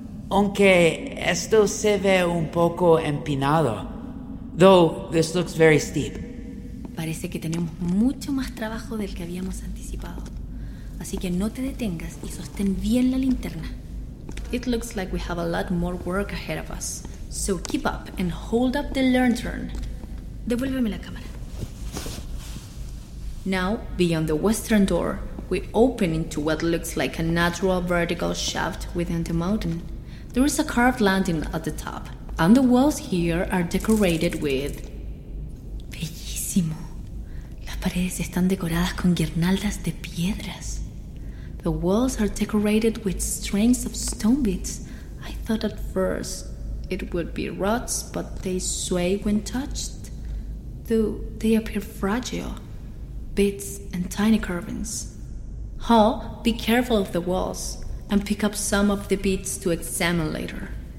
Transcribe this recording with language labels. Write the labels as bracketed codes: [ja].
[es] Aunque esto se ve un poco empinado. [en] Though, this looks very steep. [es] Parece que tenemos mucho más trabajo del que habíamos anticipado. Así que no te detengas y sostén bien la linterna. [en] It looks like we have a lot more work ahead of us. So keep up and hold up the lantern. [es] Devuélveme la cámara. [en] Now, beyond the western door, we open into what looks like a natural vertical shaft within the mountain. There is a carved landing at the top, and the walls here are decorated with... [es] Bellísimo. Las paredes están decoradas con guirnaldas de piedras. [en] The walls are decorated with strings of stone beads. I thought at first it would be rods, but they sway when touched. Though they appear fragile. Bits and tiny carvings. Ho, be careful of the walls and pick up some of the bits to examine later.